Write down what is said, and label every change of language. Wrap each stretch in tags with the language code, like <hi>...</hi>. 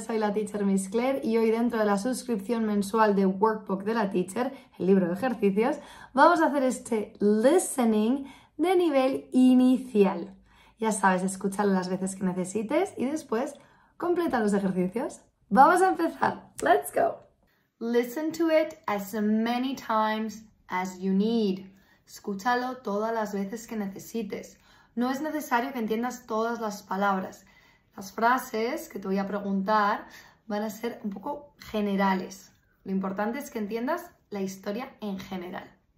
<es>Soy la teacher Miss Claire y hoy dentro de la suscripción mensual de Workbook de la teacher, el libro de ejercicios, vamos a hacer este listening de nivel inicial. Ya sabes, escúchalo las veces que necesites y después completa los ejercicios. ¡Vamos a empezar!</es> <en>¡Let's go! Listen to it as many times as you need.</en> <es>Escúchalo todas las veces que necesites. No es necesario que entiendas todas las palabras. Las frases que te voy a preguntar van a ser un poco generales. Lo importante es que entiendas la historia en general.</es>